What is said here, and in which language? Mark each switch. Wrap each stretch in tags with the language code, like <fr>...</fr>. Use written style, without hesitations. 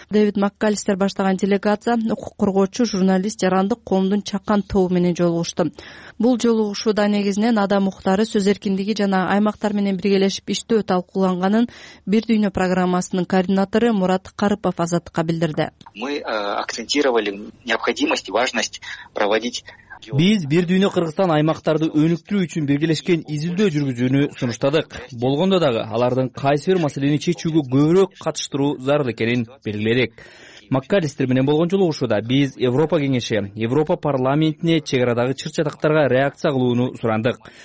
<ky>Дэвид Маккалистер баштаган делегация укук коргоочу, журналист, жарандык коомдун чакан тобу менен жолугушту. Бул жолугушууда негизинен адам укуктары, сөз эркиндиги жана аймактар менен биргелешип иштөө талкууланганын бир дүйнө программасынын координатору Мурат Карыпов Азаттыкка билдирди.</ky> <ru>Мы акцентировали необходимость и важность проводить.</ru> <ky>Биз бир дүйнө Кыргызстан аймактарды өнүктүрүү үчүн биргелешкен изилдөө жүргүзүүнү сунуштадык. Болгондо дагы алардын кайсы бир маселени чечүүгө көбүрөөк катыштыруу зарыл экенин белгиледик. Маккалистер менен болгон жолугушууда биз Европа кеңеши, Европа парламентине чек арадагы чыр-чатактарга реакция кылууну сурандык.</ky>